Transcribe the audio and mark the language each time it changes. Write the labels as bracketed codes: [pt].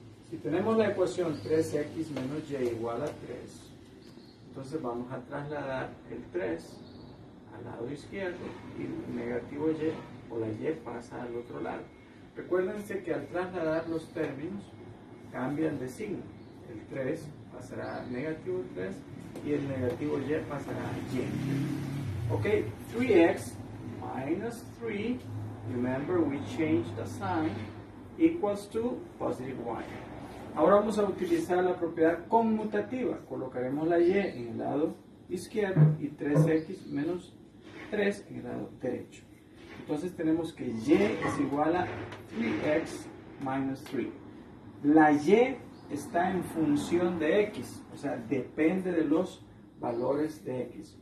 [es] Si tenemos la ecuación 3x menos y igual a 3, entonces vamos a trasladar el 3 al lado izquierdo y negativo y, o la y pasa al otro lado. Recuérdense que al trasladar los términos cambian de signo. El 3 pasará a negativo 3 y el negativo y pasará a y. [en] Ok, 3x minus 3, remember we changed the sign, equals to positive y. [es] Ahora vamos a utilizar la propiedad conmutativa. Colocaremos la y en el lado izquierdo y 3x menos 3 en el lado derecho. Entonces tenemos que y es igual a 3x minus 3. La y está en función de x, o sea, depende de los valores de x.